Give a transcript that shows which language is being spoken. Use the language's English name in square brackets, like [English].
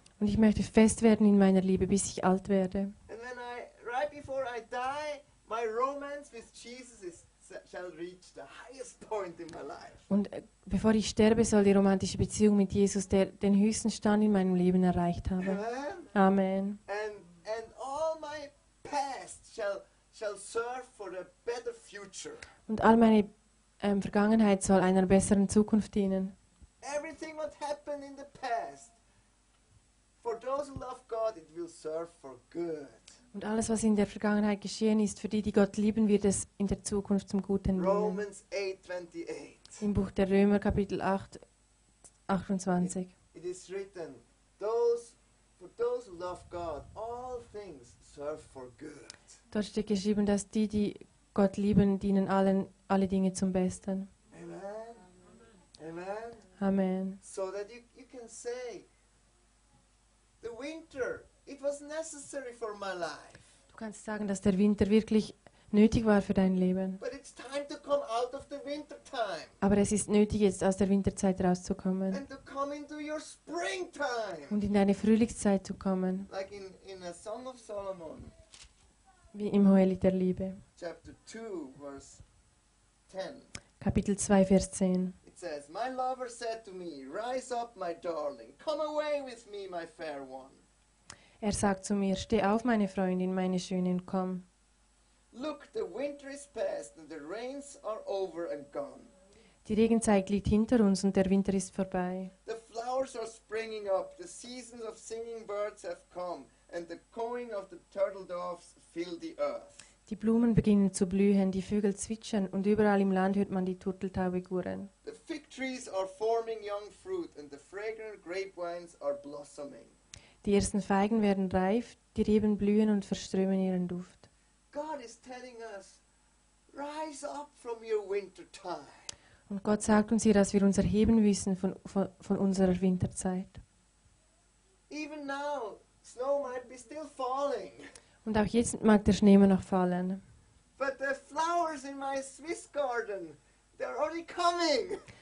[German] Und ich möchte fest werden in meiner Liebe, bis ich alt werde. [English] And when I, right before I die, my romance with Jesus shall reach the highest point in my life. [German] Und bevor ich sterbe, soll die romantische Beziehung mit Jesus den höchsten Stand in meinem Leben erreicht haben. Amen. [English] And all my past shall serve for a better future. [German] Und all meine Vergangenheit soll einer besseren Zukunft dienen. [English] Everything what happened in the past, for those who love God, it will serve for good. [German] Und alles, was in der Vergangenheit geschehen ist, für die, die Gott lieben, wird es in der Zukunft zum Guten dienen. [English] Romans 8:28. [German] Im Buch der Römer, Kapitel 8, 28. [English] It is written, for those who love God, all things serve for good. [German] Dort steht geschrieben, dass die, die Gott lieben, dienen alle Dinge zum Besten. Amen. Amen. Amen. [English] So that you can say, the winter, it was necessary for my life. [German] Du kannst sagen, dass der Winter wirklich nötig war für dein Leben. [English] But it's time to come out of the winter time. [German] Aber es ist nötig, jetzt aus der Winterzeit rauszukommen. [English] And to come into your spring time. [German] Und in deine Frühlingszeit zu kommen. [English] Like in a Song of Solomon. [German] Wie im Hohelied der Liebe. [English] Chapter 2, verse 10. [German] Kapitel 2, Vers 10. [English] Says, my lover said to me, rise up, my darling, come away with me, my fair one. [German] Er sagt zu mir, steh auf, meine Freundin, meine Schöne, und komm. [English] Look, the winter is past and the rains are over and gone. [German] Die Regenzeit liegt hinter uns und der Winter ist vorbei. [English] The flowers are springing up, the seasons of singing birds have come, and the cawing of the turtle doves fill the earth. [German] Die Blumen beginnen zu blühen, die Vögel zwitschern und überall im Land hört man die Turteltaube gurren. [English] The fig trees are forming young fruit and the fragrant grape vines are blossoming. [German] Die ersten Feigen werden reif, die Reben blühen und verströmen ihren Duft. [English] God is telling us, rise up from your winter time. [German] Und Gott sagt uns hier, dass wir uns erheben müssen von unserer Winterzeit. [English] Even now, snow might be still falling. [German] Und auch jetzt mag der Schnee immer noch fallen. [English] But the flowers in my Swiss garden, they're already coming.